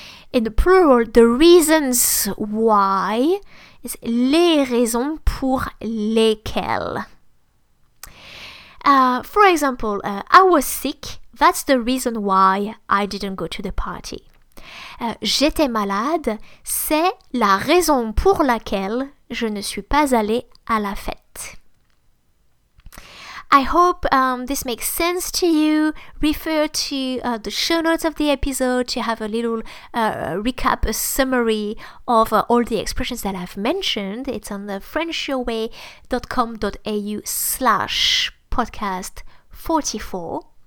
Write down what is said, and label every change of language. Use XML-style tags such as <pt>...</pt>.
<en>In the plural, the reasons why is</en> <fr>les raisons pour lesquelles.</fr> <en>For example, I was sick, that's the reason why I didn't go to the party.</en> <fr>J'étais malade, c'est la raison pour laquelle je ne suis pas allée à la fête.</fr> <en>I hope this makes sense to you. Refer to the show notes of the episode to have a little recap, a summary of all the expressions that I've mentioned. It's on the frenchyourway.com.au/podcast44.</en>